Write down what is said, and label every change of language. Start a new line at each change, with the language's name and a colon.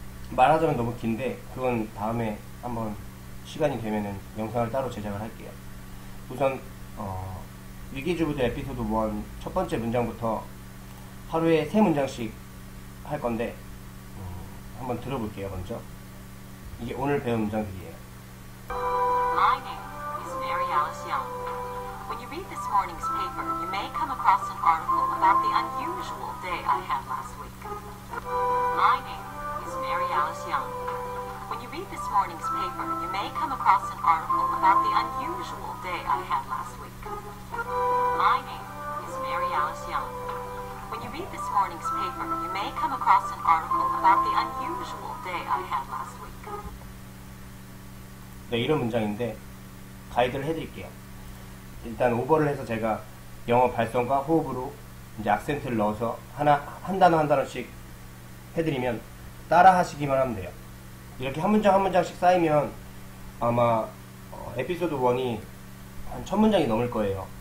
Korean: 말하자면 너무 긴데 그건 다음에 한번 시간이 되면은 영상을 따로 제작을 할게요. 우선 위기주부들 에피소드 1첫 번째 문장부터 하루에 세 문장씩 할 건데 한번 들어볼게요, 먼저. 이게 오늘 배운 문장들이에요.
English: My name is Mary Alice Young. When you read this morning's paper, you may come across an article about the unusual day I had last week. My name is Mary Alice Young. When you read this morning's paper, you may come across an article about the unusual day I had last week. My name is Mary Alice Young. When you read this morning's paper, you may come across an article about the unusual day I had last week.
Korean: 네, 이런 문장인데 가이드를 해드릴게요. 일단 오버를 해서 제가 영어 발성과 호흡으로 이제 악센트를 넣어서 하나 한 단어 한 단어씩 해드리면 따라하시기만 하면 돼요. 이렇게 한 문장 한 문장씩 쌓이면 아마 에피소드 1이 한천 문장이 넘을 거예요.